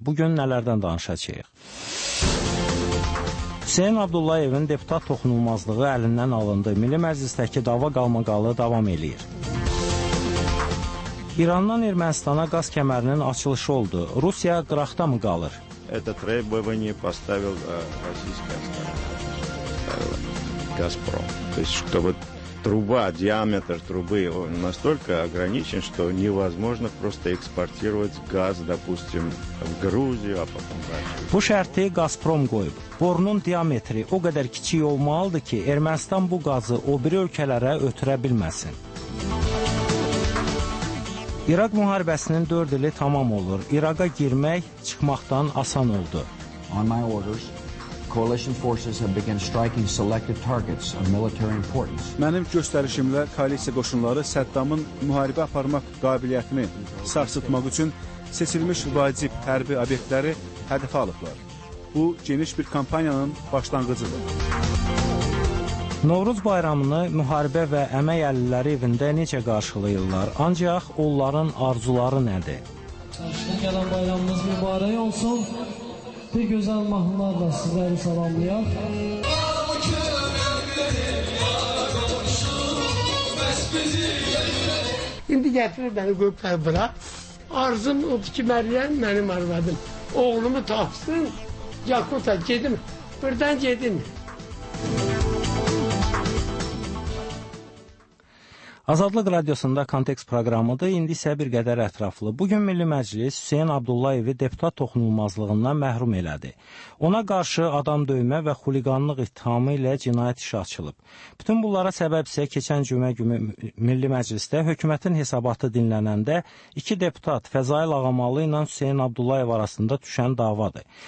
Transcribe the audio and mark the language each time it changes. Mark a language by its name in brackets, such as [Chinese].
[Azerbaijani] Bugün nələrdən danışacaq? Hüseyn Abdullayevin deputat toxunulmazlığı əlindən alındı. Milli Məclisdəki dava qalmaqalı davam eləyir. İrandan Ermənistana qaz kəmərinin açılışı oldu. Rusiya qıraqda mı qalır? [Russian] Это требование поставил российский Газпром. То есть, чтобы труба, диаметр трубы настолько ограничен, что невозможно просто экспортировать газ, допустим, в Грузию, а потом дальше. [Azerbaijani] Bu şərti Газпром qoyub. Borunun diametri o qədər kiçik olmalıdır ki, Ermənistan bu qazı o biri ölkələrə ötürə bilməsin. İraq müharibəsinin 4 ili tamam olur. İraqa girmək çıxmaqdan asan oldu. [English] On my orders, coalition forces have begun striking selective targets of military importance. [Azerbaijani] Mənim göstərişimlə koalisiya qoşunları Səddamın müharibə aparmaq qabiliyyətini sarsıtmaq üçün seçilmiş vacib hərbi obyektləri hədəfə alıblar. Bu geniş bir kampaniyanın başlanğıcıdır. Novruz bayramını müharibə və əmək əlilləri evində necə qarşılayırlar? Ancaq onların arzuları nədir? Qarşıda gələn bayramımız mübarək olsun. Bir gözəl mahnılarla sizləri salamlayaq. İndi gətirir məni qoyublar bura. Arzım odur ki, Məryəm mənim arvadım. Oğlumu tapsın, Yakuta gedim, buradan gedim. Azadlıq Radiosunda Kontekst proqramıdır, indi isə bir qədər ətraflı. Bugün Milli Məclis Hüseyn Abdullayevi deputat toxunulmazlığından məhrum elədi. Ona qarşı adam döymə və xuliqanlıq ittihamı ilə cinayət işi açılıb. Bütün bunlara səbəb isə keçən cümə günü Milli Məclisdə hökumətin hesabatı dinlənəndə iki deputat Fəzail Ağamalı ilə Hüseyn Abdullayev arasında düşən davadır.